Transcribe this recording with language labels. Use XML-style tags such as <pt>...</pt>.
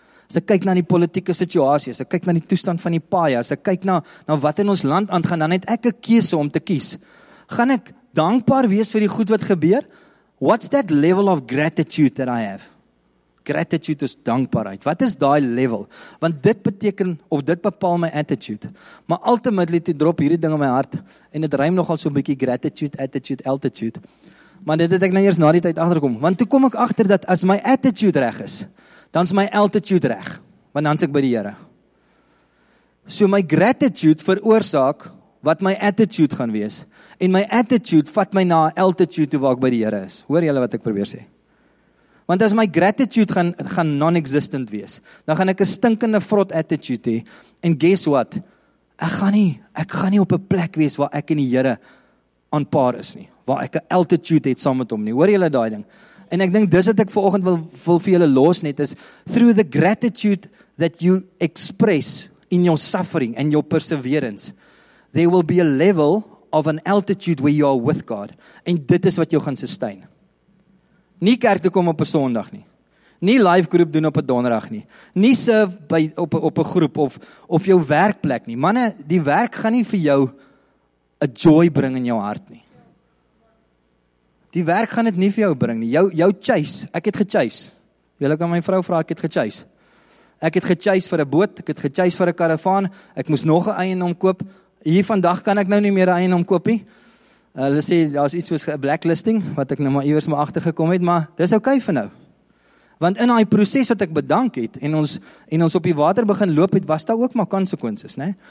<af>As ek kyk na die politieke situasie, as ek kyk na die toestand van die paaie, as ek kyk na wat in ons land aangaan, dan het ek 'n keuse om te kies. Gaan ek dankbaar wees vir die goed wat gebeur?</af> <en>What's that level of gratitude that I have?</en> <af>Gratitude is dankbaarheid. Wat is daai level? Want dit beteken, of dit bepaal my attitude. Maar ultimately, toe drop hierdie ding in my hart, en dit rym nogal so 'n bietjie gratitude, attitude, altitude. Maar dit het ek nou eers na die tyd agterkom. Want toe kom ek agter dat as my attitude reg is, dan is my altitude reg. Want dan is ek by die Here. So my gratitude veroorsaak wat my attitude gaan wees. En my attitude vat my na altitude toe waar ek by die Here is. Hoor julle wat ek probeer sê? Want as my gratitude gaan non-existent wees, dan gaan ek 'n stinkende frot attitude hê. En</af> <en>guess what?</en> <af>Ek gaan nie op 'n plek wees waar ek en die Here aan par is nie, waar ek 'n altitude het saam met hom nie. Hoor julle daai ding? En ek dink dis wat ek vanoggend wil vir julle los net is</af> <en>through the gratitude that you express in your suffering and your perseverance, there will be a level of an altitude where you are with God.</en> <af>En dit is wat jou gaan sustain. Nie kerk toe kom op 'n Sondag nie. Nie live groep doen op 'n donderdag nie. Nie serve by op 'n groep of jou werkplek nie. Manne, die werk gaan nie vir jou 'n joy bring in jou hart nie. Die werk gaan dit nie vir jou bring nie. Jou chase, ek het gechase. Julle kan my vrou vra, ek het gechase. Ek het gechase vir 'n boot, ek het gechase vir 'n karavaan. Ek moes nog 'n eiendom koop. Hier vandag kan ek nou nie meer 'n eiendom koop nie. Hulle sê daar's iets soos 'n blacklisting wat ek nou maar iewers maar agtergekom het, maar dis okay vir nou. Want in daai proses wat ek bedank het en ons op die water begin loop het, was daar ook maar konsekwensies, né?</af>